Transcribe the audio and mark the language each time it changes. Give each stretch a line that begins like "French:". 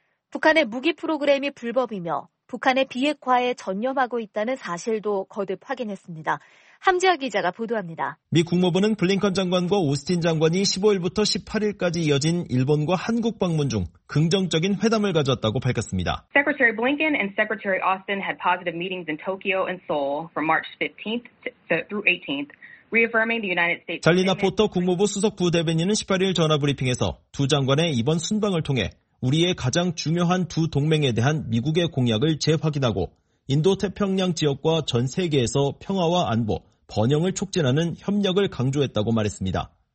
Korean: 북한의 무기 프로그램이 불법이며 북한의 비핵화에 전념하고 있다는 사실도 거듭 확인했습니다. 함지아 기자가 보도합니다. 미 국무부는 블링컨 장관과 오스틴 장관이 15일부터 18일까지 이어진 일본과 한국 방문 중 긍정적인 회담을 가졌다고 밝혔습니다.
English: Secretary Blinken and Secretary Austin had positive meetings in Tokyo and Seoul from March 15th through 18th.
Korean: 잘리나 포터 국무부 수석 부대변인은 18일 전화 브리핑에서 두 장관의 이번 순방을 통해 우리의 가장 중요한 두 동맹에 대한 미국의 공약을 재확인하고 인도태평양 지역과 전 세계에서 평화와 안보, 번영을 촉진하는 협력을 강조했다고 말했습니다.